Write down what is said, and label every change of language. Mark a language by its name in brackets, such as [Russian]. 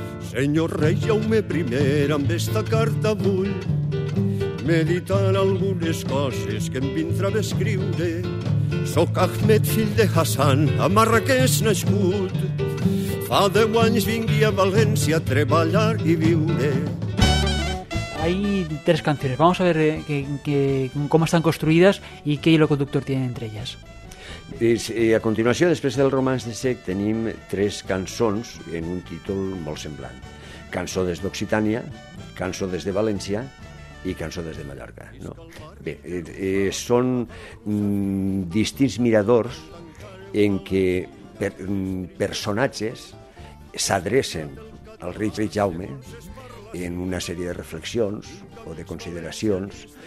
[Catalan] Senyor rei Jaume I, amb esta carta vull meditar algunes coses que em vindrà d'escriure. Soc Ahmed, fill de Hassan, a Marrakeix nascut. Fa 10 anys vingui a València a treballar i viure. [Spanish] Hay tres canciones. Vamos a ver cómo están construidas y qué hilo conductor tienen entre ellas. [Catalan] A continuació, després del romanç de sec, tenim tres cançons en un títol molt semblant. Cançó des d'Occitània, cançó des de València i cançó des de Mallorca. No? Bé, són distints miradors en què personatges s'adrecen al rei Jaume en una sèrie de reflexions o de consideracions